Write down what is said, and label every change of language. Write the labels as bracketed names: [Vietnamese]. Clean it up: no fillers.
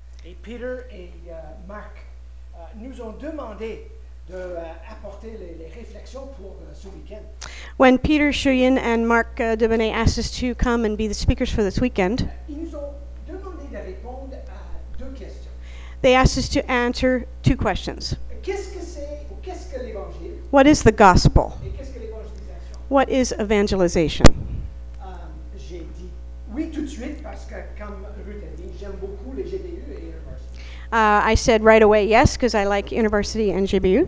[French] Et Peter et Mark nous ont demandé de apporter les réflexions pour ce week-end. [English] When Peter Shuyin and Mark Debenay asked us to come and be the speakers for this weekend, [French] ils nous ont demandé de répondre à deux questions. [English] They asked us to answer two questions. [French] Qu'est-ce que c'est ou qu'est-ce que l'évangile? [English] What is the gospel? [French] Et qu'est-ce que l'évangélisation? [English] What is evangelization? [French] J'ai dit oui tout de suite parce que comme Ruth a dit, j'aime beaucoup les GBU et l'université. [English] I said right away yes because I like university and GBU.